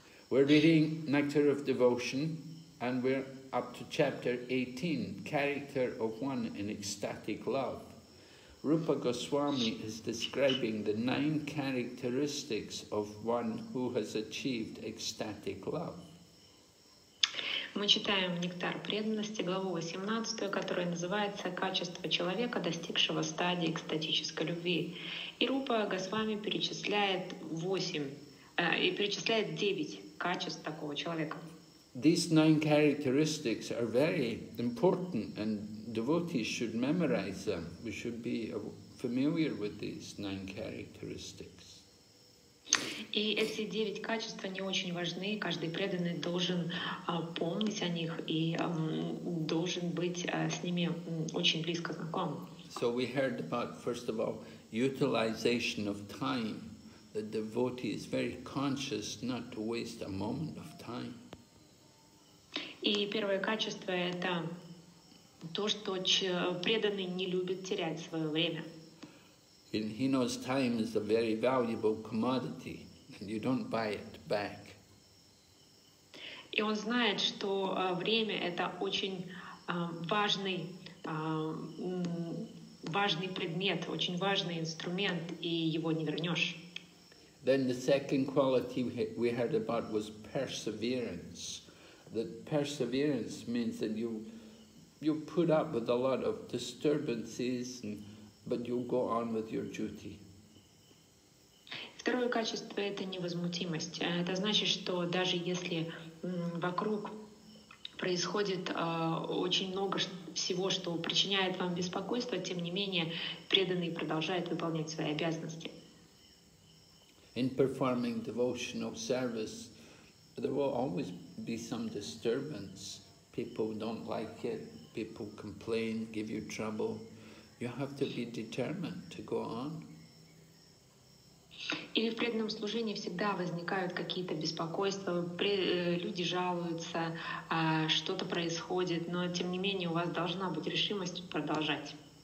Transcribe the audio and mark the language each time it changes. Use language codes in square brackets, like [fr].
[en] We're reading Nectar of Devotion and we're up to chapter 18, Character of One in Ecstatic Love. Rupa Goswami is describing the nine characteristics of one who has achieved ecstatic love. [ru] Мы читаем «Нектар преданности», главу 18, которая называется «Качество человека, достигшего стадии экстатической любви». И Рупа Госвами перечисляет девять качеств такого человека. [en] These nine characteristics are very important and devotees should memorize them. We should be familiar with these nine characteristics. [ru] И эти девять качеств, они очень важны, каждый преданный должен помнить о них и должен быть с ними очень близко знаком. [en] So we heard about, first of all, utilization of time. The devotee is very conscious not to waste a moment of time. [ru] И первое качество – это то, что преданный не любит терять свое время. [en] He knows time is a very valuable commodity, and you don't buy it back. [ru] И он знает, что время – это очень важный предмет, очень важный инструмент, и его не вернешь. [en] Then the second quality we heard about was perseverance. That perseverance means that you put up with a lot of disturbances, but you go on with your duty. [ru] Второе качество – это невозмутимость. Это значит, что даже если вокруг происходит очень много всего, что причиняет вам беспокойство, тем не менее преданный продолжает выполнять свои обязанности. [en] In performing devotional service, there will always be some disturbance. People don't like it. People complain, give you trouble. You have to be determined to go on. [ru] Или в преданном служении всегда возникают какие-то беспокойства. Люди жалуются, что-то происходит. Но тем не менее у вас должна быть решимость продолжать.